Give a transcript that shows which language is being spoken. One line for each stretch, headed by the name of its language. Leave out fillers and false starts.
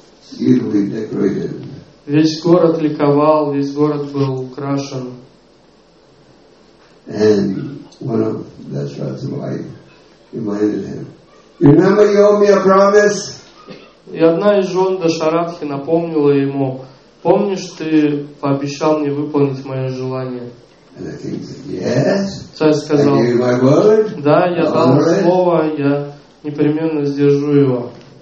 Russian: Весь город ликовал, весь город был украшен.
English: And one of Dasharatha's wife reminded him, "Remember, you owe me a promise."
Russian: И одна из жен Дашарадхи напомнила ему, "Помнишь, ты пообещал мне выполнить мое желание?"
English: And the king said, "Yes."
Russian: Царь сказал,
English: "I gave you my word."
Russian: Да, я дал слово, я непременно сдержу его.